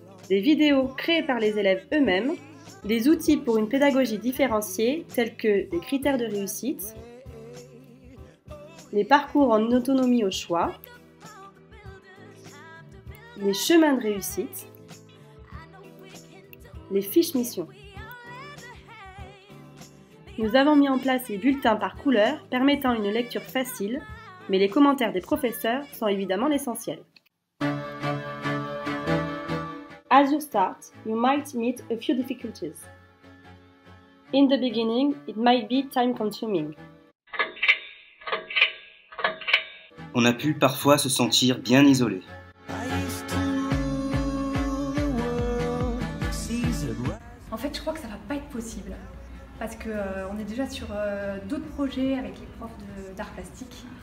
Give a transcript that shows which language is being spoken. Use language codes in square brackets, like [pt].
[fr] des vidéos créées par les élèves eux-mêmes, des outils pour une pédagogie différenciée tels que des critères de réussite, les parcours en autonomie au choix, les chemins de réussite, les fiches mission. Nous avons mis en place les bulletins par couleur permettant une lecture facile, mais les commentaires des professeurs sont évidemment l'essentiel. [en] As you start, you might meet a few difficulties. In the beginning, it might be time consuming. [fr] On a pu parfois se sentir bien isolé. En fait, je crois que ça va pas être possible. Parce qu'on est déjà sur d'autres projets avec les profs d'art plastique.